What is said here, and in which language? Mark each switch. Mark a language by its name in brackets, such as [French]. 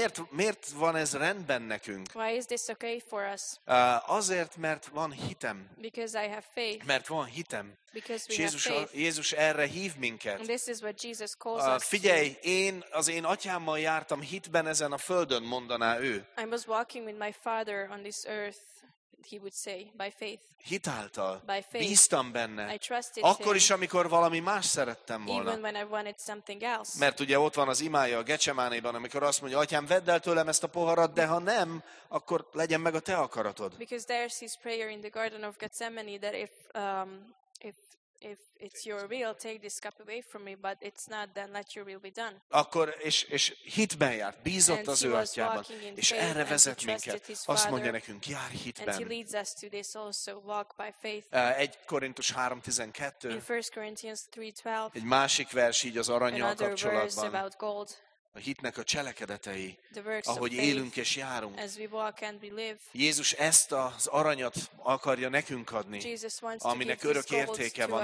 [Hungarian] Miért van ez rendben nekünk? [English] Why is this okay for us? [Hungarian] Azért, mert van hitem. [English] Because I have faith. [Hungarian] Mert van hitem. [English] Because we [Hungarian] Jézus, [English] have faith. [Hungarian] Jézus erre hív minket. [English] And this is what Jesus calls [Hungarian] figyelj, én atyámmal jártam hitben ezen a földön, mondaná ő. [English] I was walking with my father on this earth. He would say, by faith. [Hungarian] Hitáltal. [English] By faith. [Hungarian] Bíztam benne. [English] I trusted [Hungarian] akkor is, amikor valami más szerettem volna. [English] Even when I wanted something else. [Hungarian] Mert ugye ott van az imája a Getsemánéban, amikor azt mondja, atyám, vedd el tőlem ezt a poharat, de ha nem, akkor legyen meg a te akaratod. [English] Because there's his prayer in the Garden of Gethsemane that if it's your will, take this cup away from me, but it's not, then let your will be done. [Hungarian] Akkor, és hitben járt, bízott az ő atyában, és erre vezet minket. Azt mondja nekünk, jár hitben. [English] And he leads us to this also, walk by faith. [Hungarian] 1 Korintus 3:12. [English] In 1 Corinthians 3:12. [Hungarian] Egy másik vers így az aranyjal kapcsolatban. [English] Another verse about gold. [Hungarian] A hitnek a cselekedetei, ahogy élünk és járunk. Jézus ezt az aranyat akarja nekünk adni, aminek örök értéke van.